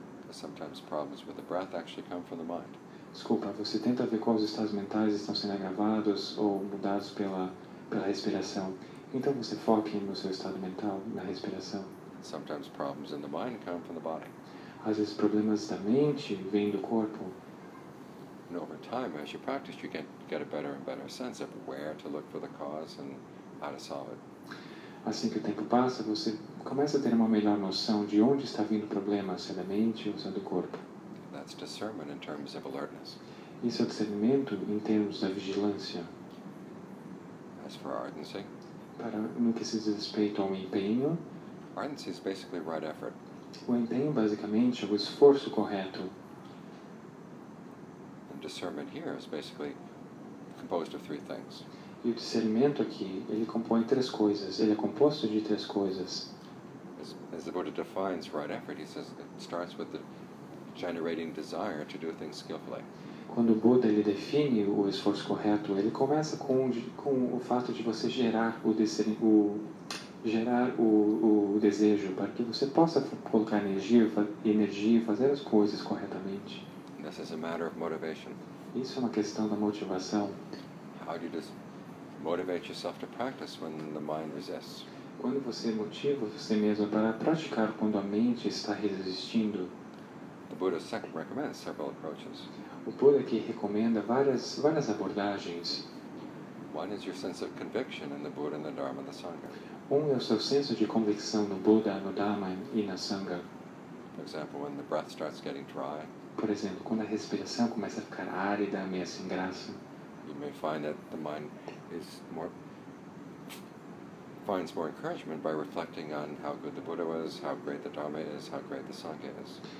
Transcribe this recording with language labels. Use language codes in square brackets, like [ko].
[en] Sometimes problems with the breath actually come from the mind. [pt] Desculpa, você tenta ver quais estados mentais estão sendo agravados ou mudados pela respiração. Então você foca no seu estado mental, na respiração. [en] Sometimes problems in the mind come from the body. [pt] Às vezes problemas da mente vêm do corpo. [en] And over time, as you practice, you get a better and better sense of where to look for the cause and how to solve it. [pt] Assim que o tempo passa, você começa a ter uma melhor noção de onde está vindo o problema, se é da mente ou se é do corpo. [en] That's discernment in terms of alertness. [pt] Isso é discernimento em termos da vigilância. [en] As for ardency. [pt] Para no que se diz respeito ao empenho. [en] Ardency is basically right effort. [pt] O empenho, basicamente, é o esforço correto. [en] And discernment here is basically composed of three things. [pt] E o discernimento aqui, ele compõe três coisas. Ele é composto de três coisas. [en] As the Buddha defines right effort, he says it starts with the generating desire to do things skillfully. [pt] Quando o Buda ele define o esforço correto, ele começa com o fato de você gerar o desejo para que você possa colocar energia e fazer as coisas corretamente. [en] This is a matter of motivation. [pt] Isso é uma questão da motivação. [en] How do you just motivate yourself to practice when the mind resists? [pt] Quando você motiva você mesmo para praticar quando a mente está resistindo? [en] The Buddha recommends several approaches. [pt] O Buda aqui recomenda várias abordagens. [en] One is your sense of conviction in the Buddha and the Dharma and the Sangha. [pt] Um é o seu senso de convicção no Buda, no Dharma e na Sangha. [en] For example, when the breath starts getting dry. [pt] Por exemplo, quando a respiração começa a ficar árida, meio sem graça. [en] You may find that the mind is more finds more encouragement by reflecting on how good the Buddha was, how great the Dharma is, how great the Sangha is.